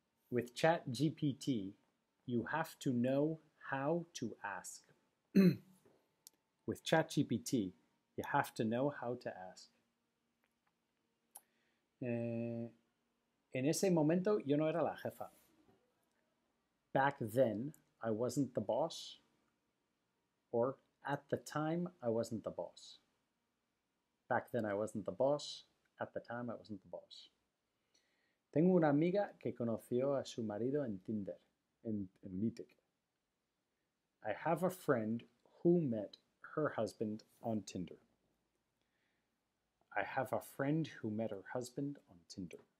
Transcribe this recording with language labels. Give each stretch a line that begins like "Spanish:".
English: With chat GPT, you have to know how to ask. With chat GPT, you have to know how to ask.
Spanish: En ese momento yo no era la jefa.
English: Back then, I wasn't the boss, or at the time, I wasn't the boss. Back then, I wasn't the boss. At the time, I wasn't the boss.
Spanish: Tengo una amiga que conoció a su marido en Tinder, en Meetic.
English: I have a friend who met her husband on Tinder. I have a friend who met her husband on Tinder.